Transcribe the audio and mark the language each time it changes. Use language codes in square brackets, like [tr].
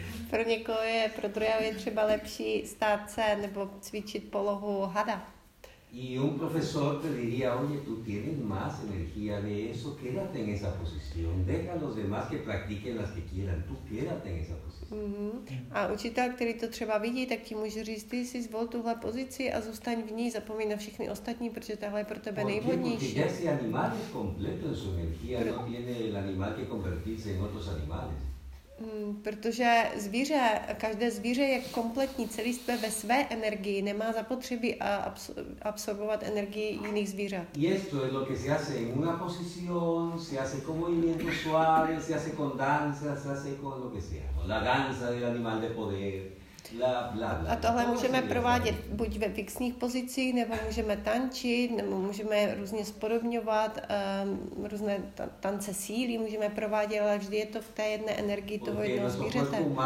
[cs] Pro někoho je, pro druhého je třeba lepší stát se nebo cvičit polohu hada. [es] Y un profesor te diría, oye, tú tienes más energía de eso, quédate en esa posición, deja a los demás que practiquen las que quieran, tú quédate en esa posición. Mm-hmm. [cs] A učitel, který to třeba vidí, tak ti může říct, ty jsi zvol tuhle pozici a zůstaň v ní, zapomeň na všechny ostatní, protože tahle je pro tebe nejvhodnější. [es] Porque ese animal es completo en su energía, no tiene el animal que convertirse en otros animales. [cs] Protože zvíře, každé zvíře je kompletní, celistvé ve své energii, nemá zapotřebí absorbovat energii jiných zvířat. [es] Y esto es lo que se hace en una posición, se hace con movimientos suaves, se hace con danza, se hace con lo que sea, la danza del animal de poder. [cs] A tohle můžeme provádět buď ve fixních pozicích, nebo můžeme tančit, nebo můžeme různě spodobňovat, různé tance síly můžeme provádět, ale vždy je to v té jedné energii toho jednoho zvířete.